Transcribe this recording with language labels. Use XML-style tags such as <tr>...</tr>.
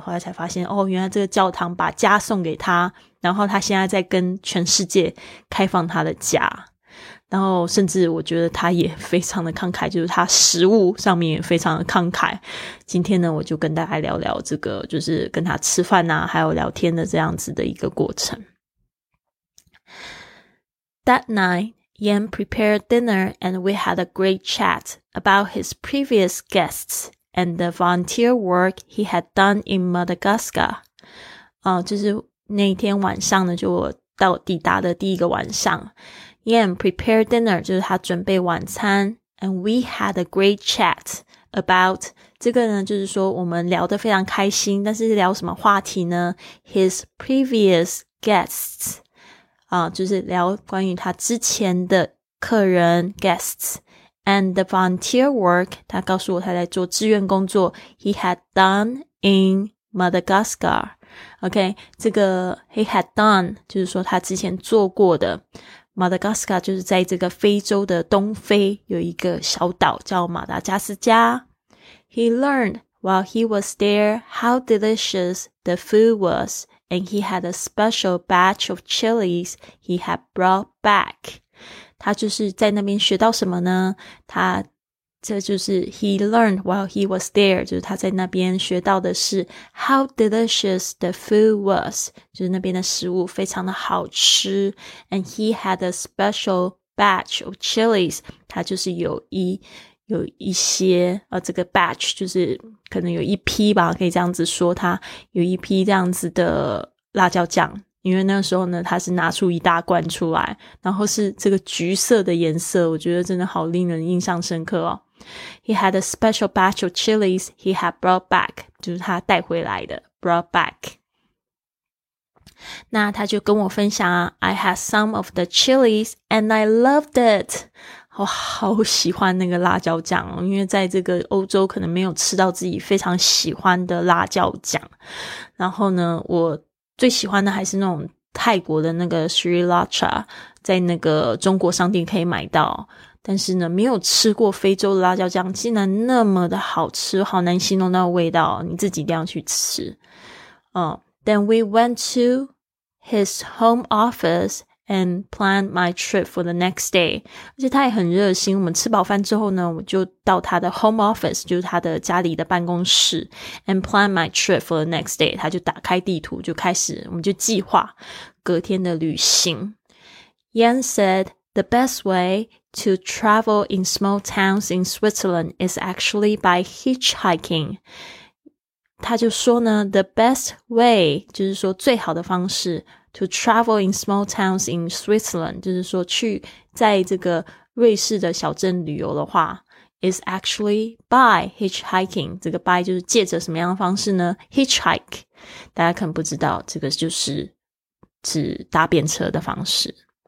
<zh>后来才发现哦，原来这个教堂把家送给他，然后他现在在跟全世界开放他的家。然后甚至我觉得他也非常的慷慨，就是他食物上面也非常的慷慨。今天呢我就跟大家聊聊这个，就是跟他吃饭啊还有聊天的这样子的一个过程。</zh> <en>That night, Yan prepared dinner and we had a great chat about his previous guests and the volunteer work he had done in Madagascar.</en> <zh>就是那一天晚上呢，就我到抵达的第一个晚上，</zh> <en>Yan prepared dinner,</en> <zh>就是他准备晚餐</zh> <en>and we had a great chat about,</en> <zh>这个呢就是说我们聊得非常开心，但是聊什么话题呢？</zh> <en>His previous guests,</en> <zh>就是聊关于他之前的客人 guests,</zh> <en>and the volunteer work,</en> <zh>他告诉我他在做志愿工作</zh> <en>he had done in Madagascar,</en> <zh>OK, 这个 he had done, 就是说他之前做过的Madagascar 就是在这个非洲的东非有一个小岛叫马达加斯加。</zh> <en>He learned while he was there how delicious the food was, and he had a special batch of chilies he had brought back.</en> <zh>他就是在那边学到什么呢？他这就是</zh> <en>he learned while he was there,</en> <zh>就是他在那边学到的是</zh> <en>how delicious the food was,</en> <zh>就是那边的食物非常的好吃。</zh> <en>And he had a special batch of chilies,</en> <zh>他就是有一些这个 batch 就是可能有一批吧，可以这样子说，他有一批这样子的辣椒酱。因为那时候呢他是拿出一大罐出来，然后是这个橘色的颜色，我觉得真的好令人印象深刻哦。</zh> <en>He had a special batch of chilies he had brought back,</en> <zh>就是他带回来的</zh> <en>brought back.</en> <zh>那他就跟我分享啊，</zh> <en>I had some of the chilies and I loved it.</en> <zh>我好喜欢那个辣椒酱哦，因为在这个欧洲可能没有吃到自己非常喜欢的辣椒酱。然后呢我最喜欢的还是那种泰国的那个 Sriracha, 在那个中国商店可以买到。但是呢没有吃过非洲的辣椒酱竟然那么的好吃，好难形容那个味道，你自己一定要去吃。</zh> <en>Then we went to his home office and planned my trip for the next day.</en> <zh>而且他也很热心，我们吃饱饭之后呢我就到他的 home office, 就是他的家里的办公室</zh> <en>and planned my trip for the next day.</en> <zh>他就打开地图就开始，我们就计划隔天的旅行。</zh> <en>Yan said,The best way to travel in small towns in Switzerland is actually by hitchhiking.</en> <zh>他就说呢 ,</zh> <en>the best way,</en> <zh>就是说最好的方式</zh> <en>to travel in small towns in Switzerland,</en> <zh>就是说去在这个瑞士的小镇旅游的话</zh> <en>is actually by hitchhiking.</en> <zh>这个 by 就是借着什么样的方式呢 ?hitchhike. 大家可能不知道这个就是指搭便车的方式。</zh>